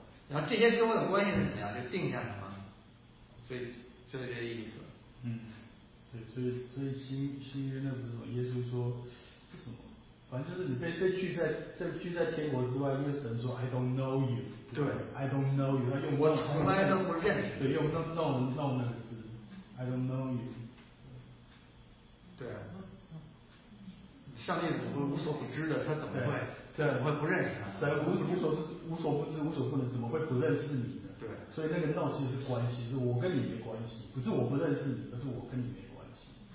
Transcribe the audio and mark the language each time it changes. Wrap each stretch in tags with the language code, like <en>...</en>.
<zh>然后这些跟我有关系的人呀，就定下什么，所以就这个意思。对，所以新约那不是说耶稣说什么？反正就是你被拒在天国之外，因为神说</zh> <en>I don't know you，</en> <zh>对</zh> <en>，I don't know you，</en> <zh>他用我从来都不认识，对，用</zh> <en>don't know know</en> <zh>那个字</zh> <en>，I don't know you，</en> <zh>对，上帝怎么会无所不知的？他怎么会对怎么会不认识他？神无所不知无所不能，怎么会不认识你呢？对，所以那个 know 其实是关系，是我跟你的关系，不是我不认识你，而是我跟你没关系。</zh>